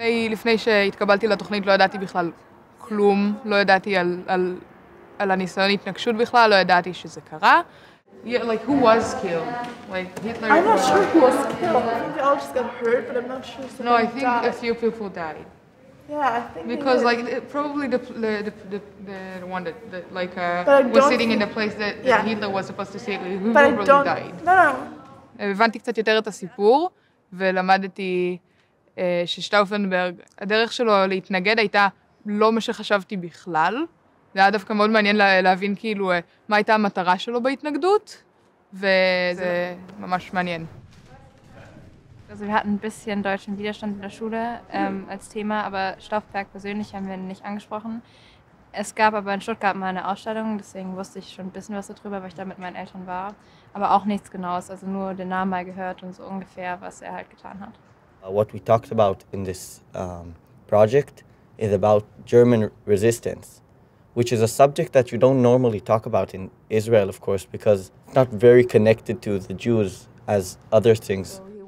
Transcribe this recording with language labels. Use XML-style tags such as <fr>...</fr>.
<he>לפני שהתקבלתי לתוכנית לא ידעתי בכלל כלום, לא ידעתי על הניסיון התנגשות בכלל, לא ידעתי שזה קרה.</he> <en>Yeah, like who was killed? Like Hitler. I'm not sure who was killed. They all just got hurt, but I'm not sure. No, I think a few people died. Yeah, I think. Because like probably the one that like was sitting in the place that Hitler was supposed to sit, who probably died. No.</en> <he>הבנתי קצת יותר את הסיפור ולמדתי ששטאופנברג, הדרך שלו להתנגד הייתה לא מה שחשבתי בכלל. זה היה דווקא מאוד מעניין להבין כאילו מה הייתה המטרה שלו בהתנגדות, וזה ממש מעניין.</he> <de>Also wir hatten ein bisschen deutschen Widerstand in der Schule als Thema, aber Stauffenberg persönlich haben wir nicht angesprochen. Es gab aber in Stuttgart mal eine Ausstellung, deswegen wusste ich schon ein bisschen was darüber, weil ich da mit meinen Eltern war. Aber auch nichts Genaues, also nur den Namen mal gehört und so ungefähr, was er halt getan hat.</de> <en>What we talked about in this project is about German resistance, which is a subject that you don't normally talk about in Israel, of course, because it's not very connected to the Jews as other things.</en>